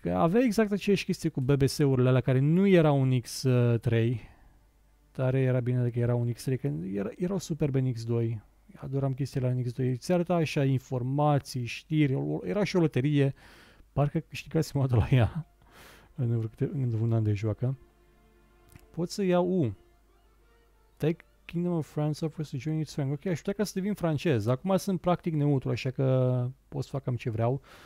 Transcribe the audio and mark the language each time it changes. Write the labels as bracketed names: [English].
[Romanian] Că avea exact aceeași chestie cu BBS-urile alea, care nu era un X3, dar era bine că era un X3, că erau superbe în X2. Adoram chestiile la X2. Ți arăta așa informații, știri, era și o loterie. Parcă câștigați mod la ea în un an de joacă. Pot să iau U. [English] Take Kingdom of France offers to join its rank. [Romanian] Ok, aș putea ca să devin francez. Acum sunt practic neutru, așa că pot să fac cam ce vreau.